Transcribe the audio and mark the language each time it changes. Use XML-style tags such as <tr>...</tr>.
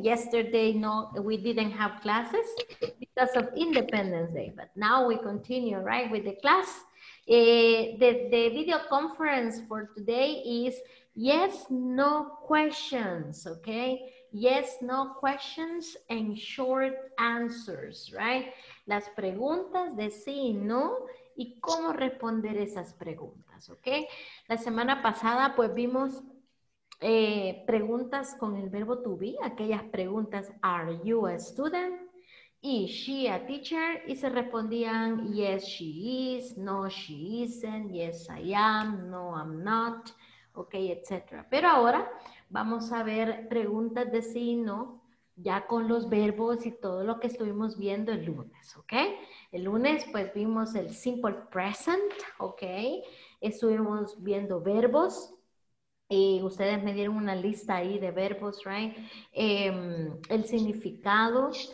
<en>Yesterday, no, we didn't have classes because of Independence Day, but now we continue, right, with the class. The video conference for today is yes, no questions, ok. yes, no questions and short answers, right?</en> <es>Las preguntas de sí y no y cómo responder esas preguntas, ¿ok? La semana pasada pues vimos preguntas con el verbo to be, aquellas preguntas,</es> <en>are you a student? Is she a teacher?</en> <es>Y se respondían,</es> <en>yes, she is, no, she isn't, yes, I am, no, I'm not,</en> <es>ok, etc. Pero ahora vamos a ver preguntas de sí y no, ya con los verbos y todo lo que estuvimos viendo el lunes, ok. El lunes pues vimos el simple present, ok, estuvimos viendo verbos. Y ustedes me dieron una lista ahí de verbos, right? El significado.</es>